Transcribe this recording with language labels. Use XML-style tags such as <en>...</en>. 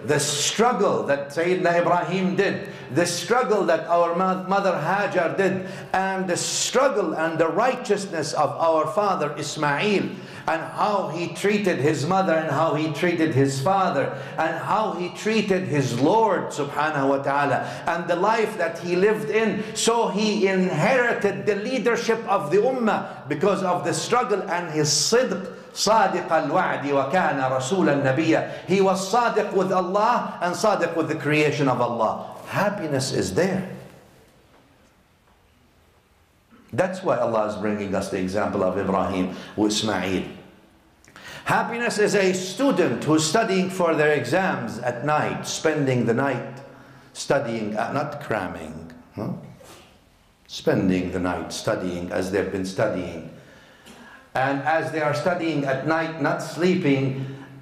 <en>The struggle that Sayyiduna Ibrahim did, the struggle that our mother Hajar did, and the struggle and the righteousness of our father Ismail, and how he treated his mother, and how he treated his father, and how he treated his Lord subhanahu wa ta'ala, and the life that he lived in. So he inherited the leadership of the ummah because of the struggle and his sidq.</en> <ar>صادق الوعد وكان رسول النبي.</ar> <en>He was صادق with Allah and صادق with the creation of Allah. Happiness is there. That's why Allah is bringing us the example of Ibrahim with Ismail. Happiness is a student who's studying for their exams at night, spending the night studying, not cramming, spending the night studying as they've been studying. And as they are studying at night, not sleeping,</en>